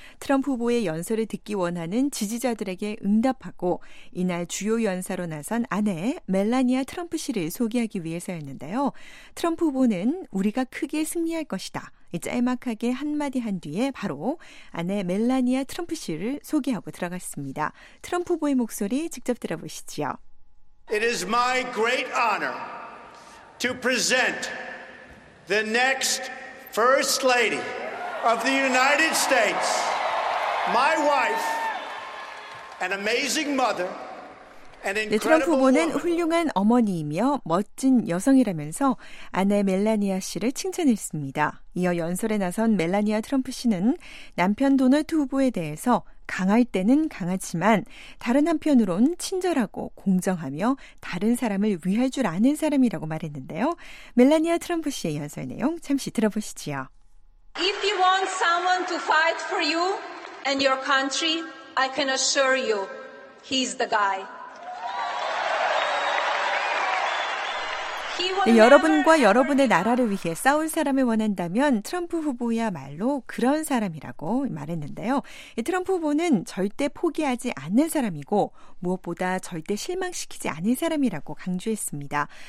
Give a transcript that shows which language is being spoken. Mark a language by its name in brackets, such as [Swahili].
[Korean] 트럼프 후보의 연설을 듣기 원하는 지지자들에게 응답하고 이날 주요 연사로 나선 아내 멜라니아 트럼프 씨를 소개하기 위해서였는데요. 트럼프 후보는 우리가 크게 승리할 것이다. 짤막하게 한마디 한 뒤에 바로 아내 멜라니아 트럼프 씨를 소개하고 들어갔습니다. 트럼프 후보의 목소리 직접 들어보시죠. [English] It is my great honor to present the next First Lady of the United States, my wife, an amazing mother. [Korean] 네, 트럼프 후보는 훌륭한 어머니이며 멋진 여성이라면서 아내 멜라니아 씨를 칭찬했습니다. 이어 연설에 나선 멜라니아 트럼프 씨는 남편 도널드 후보에 대해서 강할 때는 강하지만 다른 한편으론 친절하고 공정하며 다른 사람을 위할 줄 아는 사람이라고 말했는데요. 멜라니아 트럼프 씨의 연설 내용 잠시 들어보시지요. [English] If you want someone to fight for you and your country, I can assure you he's the guy. [Korean] 네, 여러분과 여러분의 나라를 위해 싸울 사람을 원한다면 트럼프 후보야말로 그런 사람이라고 말했는데요. 트럼프 후보는 절대 포기하지 않는 사람이고 무엇보다 절대 실망시키지 않을 사람이라고 강조했습니다.